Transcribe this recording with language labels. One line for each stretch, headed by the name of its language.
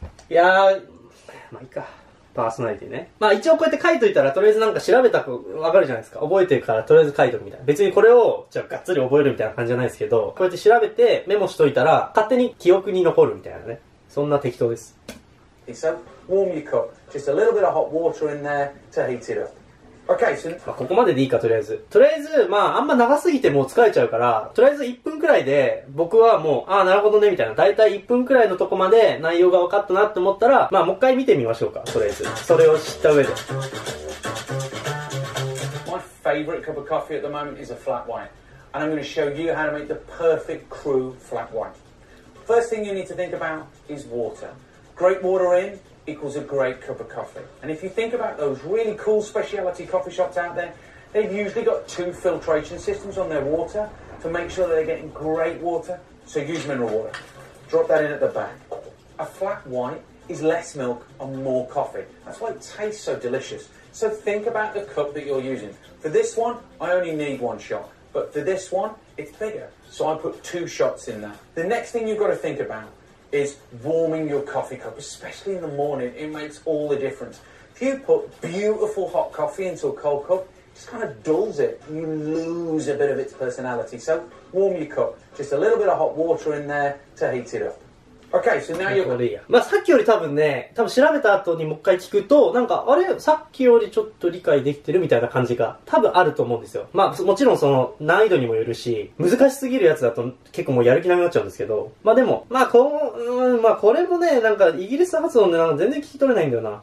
Japanese: いやー、まあいいか。パーソナリティね。まあ一応こうやって書いといたら、とりあえずなんか調べたらわかるじゃないですか。覚えてるからとりあえず書いとくみたいな。別にこれを、じゃあがっつり覚えるみたいな感じじゃないですけど、こうやって調べてメモしといたら、勝手に記憶に残るみたいなね。そんな適当です。
English: So, warm your cup. Just a little bit of hot water in there to heat it up. Okay, so...
Japanese: まあここまででいいか、とりあえず。とりあえず、まああんま長すぎてもう疲れちゃうから、とりあえず1分くらいで、僕はもう、ああ、なるほどね、みたいな。だいたい1分くらいのとこまで内容が分かったなって思ったら、まあもう一回見てみましょうか、とりあえず。それを知った上で。
English: My favorite cup of coffee at the moment is a flat white. And I'm going to show you how to make the perfect crew flat white. First thing you need to think about is water. Great water in equals a great cup of coffee. And if you think about those really cool specialty coffee shops out there, they've usually got two filtration systems on their water to make sure that they're getting great water. So use mineral water. Drop that in at the back. A flat white is less milk and more coffee. That's why it tastes so delicious. So think about the cup that you're using. For this one, I only need one shot. But for this one,It's bigger, so I put two shots in there. The next thing you've got to think about is warming your coffee cup, especially in the morning. It makes all the difference. If you put beautiful hot coffee into a cold cup, it just kind of dulls it. You lose a bit of its personality. So warm your cup. Just a little bit of hot water in there to heat it up. Okay, so now you're...
Japanese: まあさっきより多分ね、多分調べた後にもう一回聞くと、なんか、あれ、さっきよりちょっと理解できてるみたいな感じが多分あると思うんですよ。まあもちろんその難易度にもよるし、難しすぎるやつだと結構もうやる気なくなっちゃうんですけど、まあでも、まあこう、うん、まあこれもね、なんかイギリス発音でなんか全然聞き取れないんだよな。